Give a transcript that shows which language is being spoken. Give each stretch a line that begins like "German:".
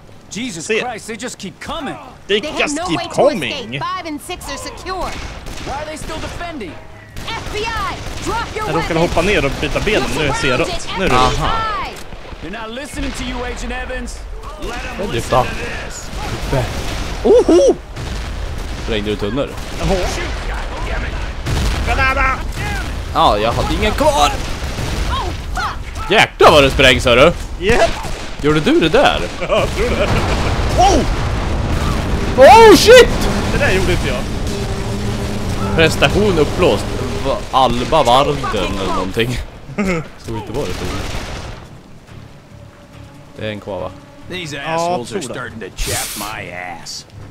English: Jesus Christ, they just keep coming. They just keep coming. They have no way to escape. 5 and 6 are secure. Why are they still defending? FBI, drop your weapon.
Swedish: Jag råkade hoppa ner och byta ben nu, ser jag. Nu är det. Aha.
English: They're not listening to you, Agent Evans. Let them listen to this. Oho!
Swedish: Sprängde du tunnor?
English: Banana!
Swedish: Ja, jag hade ingen kvar! Jäklar vad det sprängs, hörru!
English: Yep!
Swedish: Gjorde du det där? Ja, jag tror det.
English: Oh! Oh shit!
Swedish: Det där gjorde inte jag. Prestation uppblåst. Alba Varden eller någonting. Så inte var det. Det är en kvar, va?
English: These assholes are starting to chap my ass.